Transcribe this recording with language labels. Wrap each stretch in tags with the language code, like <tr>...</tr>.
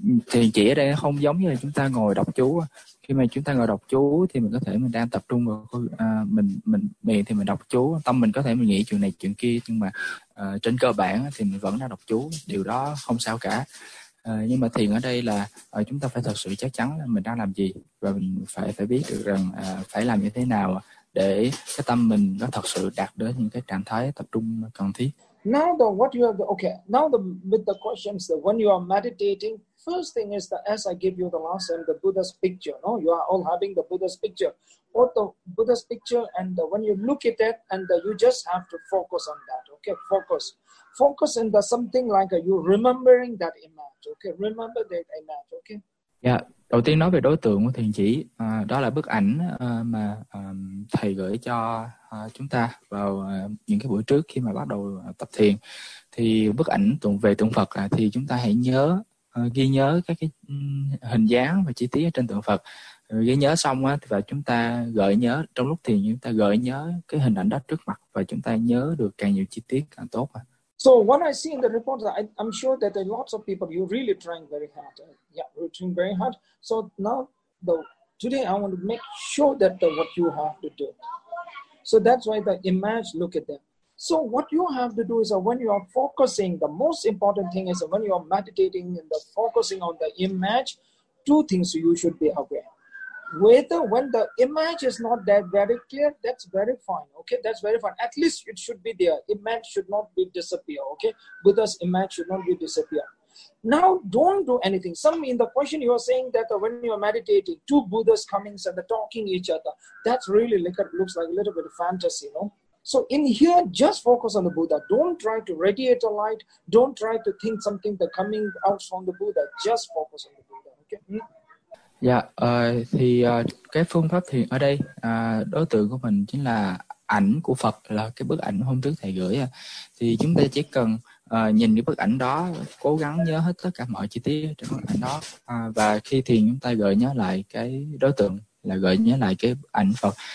<vi>Thì chỉ ở đây không giống như là chúng ta ngồi đọc chú. Khi mà chúng ta ngồi đọc chú thì mình có thể mình đang tập trung vào mình miệng thì mình đọc chú, tâm mình có thể mình nghĩ chuyện này chuyện kia, nhưng mà trên cơ bản thì mình vẫn đang đọc chú, điều đó không sao cả. Nhưng mà thiền ở đây là chúng ta phải thật sự chắc chắn là mình đang làm gì, và mình phải phải biết được rằng phải làm như thế nào để cái tâm mình nó thật sự đạt đến những cái trạng thái tập trung cần thiết.</vi> <en>Now the what you have the, okay. Now the with the questions that when you are meditating, first thing is the as I give you the last time the Buddha's picture. No, you are all having the Buddha's picture, or the Buddha's picture, and when you look at it, and you just have to focus on that. Okay, focus, focus in the something like you remembering that image. Okay, remember that image. Okay.</en> <vi>Đầu tiên nói về đối tượng của thiền chỉ, đó là bức ảnh mà thầy gửi cho chúng ta vào những cái buổi trước khi mà bắt đầu tập thiền. Thì bức ảnh về tượng Phật, thì chúng ta hãy nhớ ghi nhớ các cái hình dáng và chi tiết ở trên tượng Phật. Ghi nhớ xong và chúng ta gợi nhớ, trong lúc thiền chúng ta gợi nhớ cái hình ảnh đó trước mặt, và chúng ta nhớ được càng nhiều chi tiết càng tốt.</vi> <en>So what I see in the report, I'm sure that there are lots of people, you're really trying very hard. Yeah, you're trying very hard. So now, today I want to make sure that what you have to do. So that's why the image, look at them. So what you have to do is when you are focusing, the most important thing is when you are meditating and the focusing on the image, two things you should be aware. Whether when the image is not that very clear, that's very fine. Okay, that's very fine. At least it should be there. Image should not be disappear. Okay, Buddha's image should not be disappear. Now, don't do anything. Some in the question you are saying that when you are meditating, two Buddhas coming and the talking each other. That's really looks like a little bit of fantasy, no? So in here, just focus on the Buddha. Don't try to radiate a light. Don't try to think something that coming out from the Buddha. Just focus on the Buddha. Okay.</en> <vi>Dạ, thì cái phương pháp thiền ở đây, đối tượng của mình chính là ảnh của Phật, là cái bức ảnh hôm trước thầy gửi. Thì chúng ta chỉ cần nhìn cái bức ảnh đó, cố gắng nhớ hết tất cả mọi chi tiết trong bức ảnh đó. Và khi thiền chúng ta gợi nhớ lại cái đối tượng, là gợi nhớ lại cái ảnh Phật.</vi>